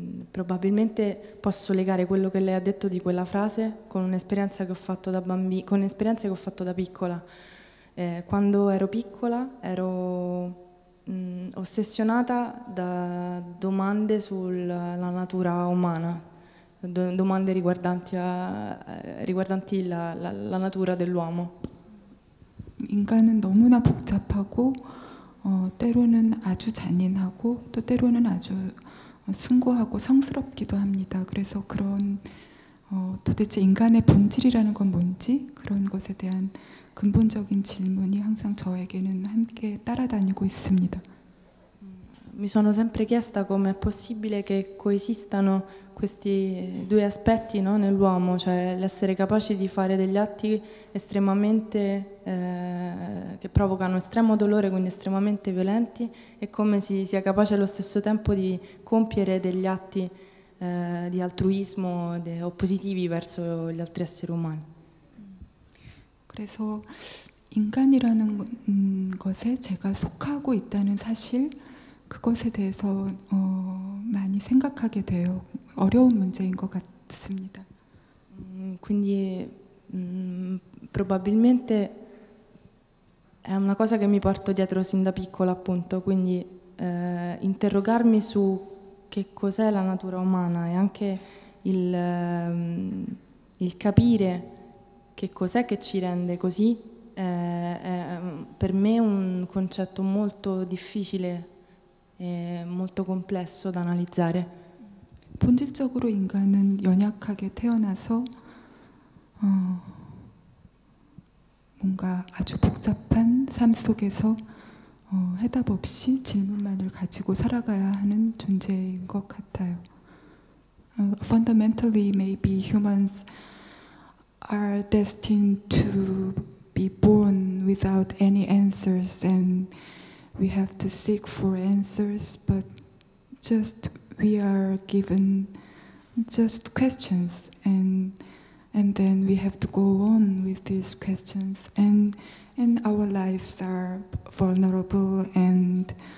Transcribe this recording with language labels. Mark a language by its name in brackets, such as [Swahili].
[Italian] Probabilmente posso legare quello che lei ha detto di quella frase con esperienze che ho fatto da piccola. Quando ero piccola ero ossessionata da domande sulla natura umana, domande riguardanti la natura dell'uomo. [Korean] 인간은 너무나 복잡하고 때로는 아주 잔인하고 또 때로는 아주 숭고하고 성스럽기도 합니다. 그래서 그런 도대체 인간의 본질이라는 건 뭔지 그런 것에 대한 근본적인 질문이 항상 저에게는 함께 따라다니고 있습니다. [Italian] Mi sono sempre chiesta come è possibile che coesistano questi due aspetti, no, nell'uomo, cioè l'essere capaci di fare degli atti estremamente che provocano estremo dolore, quindi estremamente violenti, e come si sia capace allo stesso tempo di compiere degli atti di altruismo o positivi verso gli altri esseri umani. [Korean] 그래서 인간이라는 것에 제가 속하고 있다는 사실, 그것에 대해서 많이 생각하게 돼요. 어려운 문제인 것 같습니다. [Italian] Quindi probabilmente è una cosa che mi porto dietro sin da piccola, appunto. Quindi interrogarmi su che cos'è la natura umana e anche il capire che cos'è che ci rende così, è per me un concetto molto difficile e molto complesso da analizzare. [Korean] 본질적으로 인간은 연약하게 태어나서 뭔가 아주 복잡한 삶 속에서 해답 없이 질문만을 가지고 살아가야 하는 존재인 것 같아요. [English] Fundamentally, maybe humans are destined to be born without any answers, and we have to seek for answers, but just we are given just questions, and then we have to go on with these questions, and our lives are vulnerable and